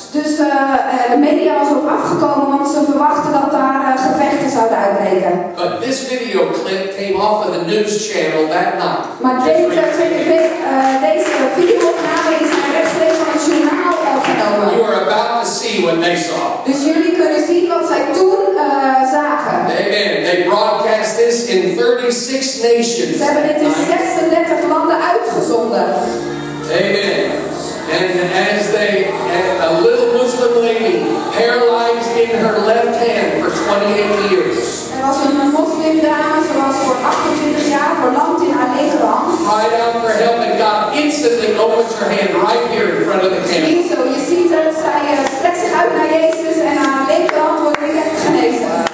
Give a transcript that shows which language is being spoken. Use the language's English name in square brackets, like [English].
[Dutch] Dus de media was ook afgekomen, want ze verwachten dat daar gevechten zouden uitbreken. [English] But this video clip came off of the news channel that night. [Dutch] Maar deze videoopname is rechtstreeks van het journaal opgenomen. [English] You are about to see what they saw. [Dutch] Dus jullie kunnen zien wat zij toen zagen. [English] Amen. They broadcast this in 36 nations. [Dutch] Ze hebben dit in 36 landen uitgezonden. [English] Amen. And as a little Muslim lady paralyzed in her left hand for 28 years. [Dutch] Er was een moslim dame, ze was voor 28 jaar verlamd in haar linkerhand. [English] Cried out for help and God instantly opens her hand right here in front of the camera. [Dutch] Zo, je ziet dat zij strekt zich uit naar Jezus en haar linkerhand wordt weer echt genezen.